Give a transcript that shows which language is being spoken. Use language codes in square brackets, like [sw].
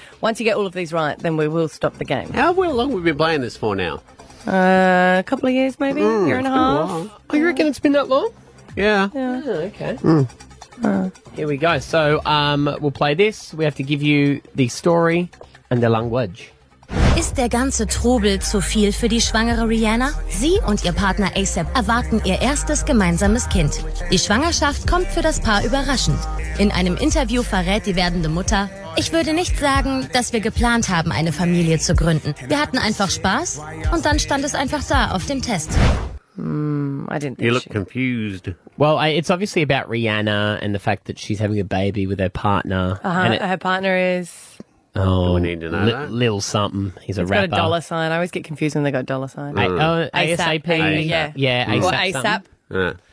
[en] Once you get all of these right, then we will stop the game. How long have we been playing this for now? A couple of years, maybe. A year and a half. Oh, you reckon it's been that long? Yeah. Okay. Mm. Here we go. So we'll play this. We have to give you the story and the language. [de] Ist der ganze Trubel zu viel für die schwangere Rihanna? Sie und ihr Partner ASAP erwarten ihr erstes gemeinsames Kind. Die Schwangerschaft kommt für das Paar überraschend. In einem Interview verrät die werdende Mutter, ich würde nicht sagen, dass wir geplant haben, eine Familie zu gründen. Wir hatten einfach Spaß und dann stand es einfach da auf dem Test. [en] I didn't think you look confused. Well, it's obviously about Rihanna and the fact that she's having a baby with her partner. Uh-huh. And her partner is... Oh, we need to know that. Lil something. He's a rapper. He's got a dollar sign. I always get confused when they got dollar sign. ASAP. ASAP.